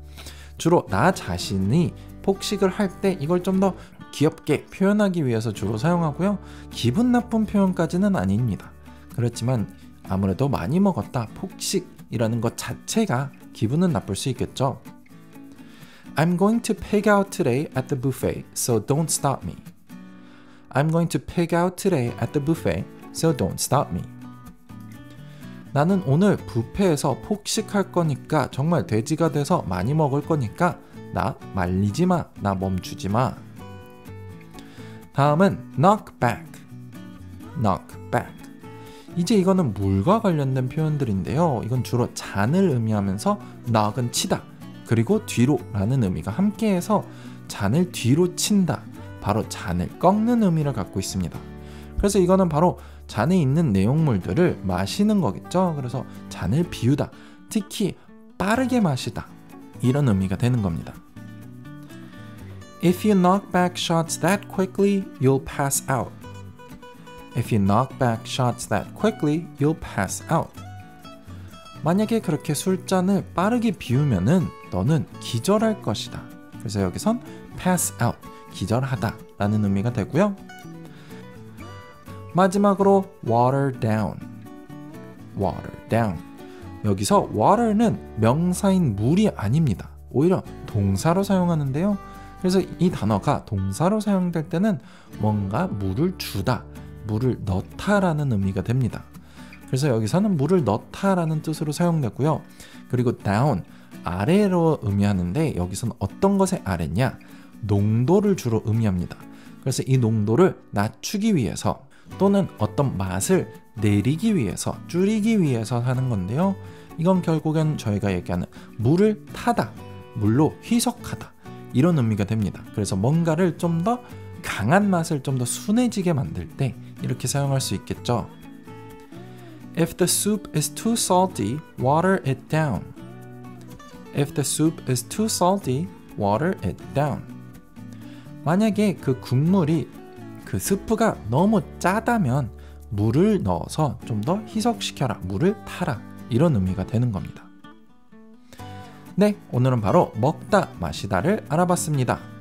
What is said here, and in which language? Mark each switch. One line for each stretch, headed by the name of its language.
Korean: 주로 나 자신이 폭식을 할 때 이걸 좀 더 귀엽게 표현하기 위해서 주로 사용하고요. 기분 나쁜 표현까지는 아닙니다. 그렇지만 아무래도 많이 먹었다, 폭식이라는 것 자체가 기분은 나쁠 수 있겠죠.
English: I'm going to pig out today at the buffet, so don't stop me. I'm going to pig out today at the buffet, so don't stop me.
Korean: 나는 오늘 뷔페에서 폭식할 거니까 정말 돼지가 돼서 많이 먹을 거니까 나 말리지 마, 나 멈추지 마. 다음은
English: knock back. knock back.
Korean: 이제 이거는 물과 관련된 표현들인데요. 이건 주로 잔을 의미하면서 knock은 치다, 그리고 뒤로 라는 의미가 함께해서 잔을 뒤로 친다, 바로 잔을 꺾는 의미를 갖고 있습니다. 그래서 이거는 바로 잔에 있는 내용물들을 마시는 거겠죠. 그래서 잔을 비우다, 특히 빠르게 마시다, 이런 의미가 되는 겁니다.
English: If you knock back shots that quickly, you'll pass out. If you knock back shots that quickly, you'll pass out.
Korean: 만약에 그렇게 술잔을 빠르게 비우면은 너는 기절할 것이다. 그래서 여기선 pass out, 기절하다 라는 의미가 되고요. 마지막으로
English: water down. water down.
Korean: 여기서 water는 명사인 물이 아닙니다. 오히려 동사로 사용하는데요. 그래서 이 단어가 동사로 사용될 때는 뭔가 물을 주다, 물을 넣다 라는 의미가 됩니다. 그래서 여기서는 물을 넣다 라는 뜻으로 사용됐고요. 그리고 down, 아래로 의미하는데 여기서는 어떤 것의 아래냐? 농도를 주로 의미합니다. 그래서 이 농도를 낮추기 위해서 또는 어떤 맛을 내리기 위해서, 줄이기 위해서 하는 건데요. 이건 결국엔 저희가 얘기하는 물을 타다, 물로 희석하다, 이런 의미가 됩니다. 그래서 뭔가를 좀 더 강한 맛을 좀 더 순해지게 만들 때 이렇게 사용할 수 있겠죠.
English: If the soup is too salty, water it down. If the soup is too salty, water it down.
Korean: 만약에 그 국물이 그 스프가 너무 짜다면 물을 넣어서 좀 더 희석시켜라, 물을 타라, 이런 의미가 되는 겁니다. 네, 오늘은 바로 먹다, 마시다를 알아봤습니다.